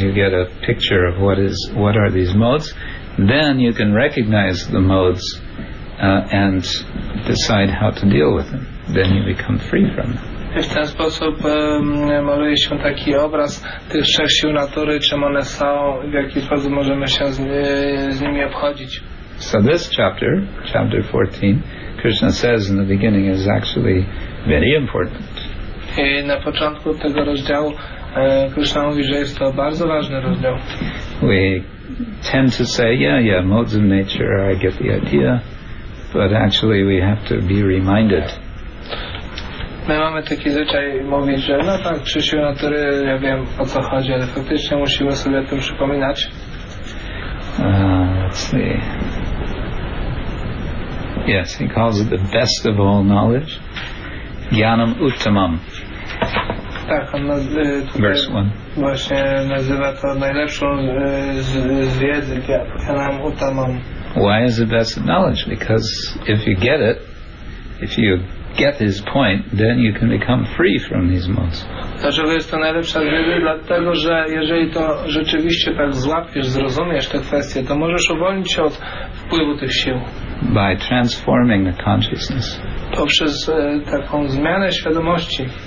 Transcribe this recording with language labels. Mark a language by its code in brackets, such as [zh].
[en] You get a picture of what are these modes. Then you can recognize the modes and decide how to deal with them. Then you become free from them. [pl] W ten sposób maluje się taki obraz tych trzech sił natury, czym one są, w jaki sposób możemy się z nimi obchodzić. [en] So this chapter 14, Krishna says in the beginning is actually very important. [pl] I na początku tego rozdziału Krishna mówi, że jest to bardzo ważny rozdział. [en] We tend to say, yeah, modes of nature, I get the idea, but actually we have to be reminded. [pl] My mamy taki zwyczaj mówić, że no tak, trzy siły natury, ja wiem o co chodzi, ale faktycznie musimy sobie o tym przypominać. [en] Let's see. Yes, he calls it the best of all knowledge. [sa] Jnanam uttamam. [pl] Tak, on właśnie nazywa to najlepszą z wiedzy, [sa] jnanam uttamam. [en] Why is it best of knowledge? Because if you get it, if you get his point, then you can become free from these modes. [pl] Dlaczego jest to najlepsza wiedza? Dlatego, że jeżeli to rzeczywiście tak złapiesz, zrozumiesz te kwestie, to możesz uwolnić się od wpływu tych sił. [en] By transforming the consciousness. [pl] Poprzez taką zmianę świadomości.